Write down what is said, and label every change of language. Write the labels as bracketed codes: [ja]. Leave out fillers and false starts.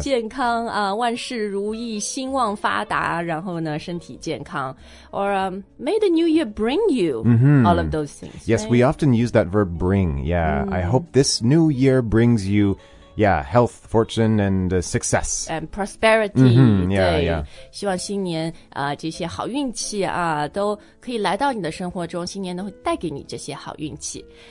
[zh] 健康啊、万事如意，兴旺发达，然后呢，身体健康。 [en] Or, may the new year bring you all of those things. Yes, right? We often use that verb bring, yeah. I hope this new year brings you Yeah, health, fortune, and success. And prosperity. Mm-hmm, yeah, yeah. [zh] 希望新年、这些好运气、都可以来到你的生活中，新年都会带给你这些好运气。